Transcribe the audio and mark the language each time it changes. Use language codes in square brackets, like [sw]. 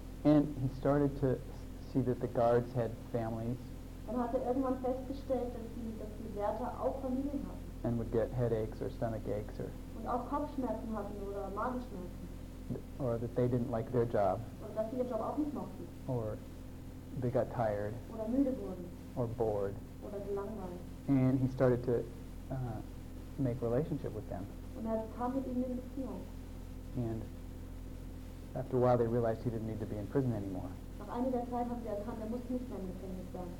[en] And he started to see that the guards had families. [de] Dann hat er irgendwann festgestellt, dass die Wärter auch Familien hatten. [en] And would get headaches or stomach aches or. [de] Und auch Kopfschmerzen hatten oder Magenschmerzen. [en] Or that they didn't like their job. [de] Und dass sie ihren Job auch nicht mochten. [en] Or they got tired. [de] Oder müde wurden. [en] Or bored. [de] Oder gelangweilt. [en] And he started to make relationship with them. [de] Und er kam mit ihnen in Beziehung. [en] And after a while they realized he didn't need to be in prison anymore. [de] Nach einiger Zeit haben sie erkannt, er musste nicht mehr im Gefängnis sein.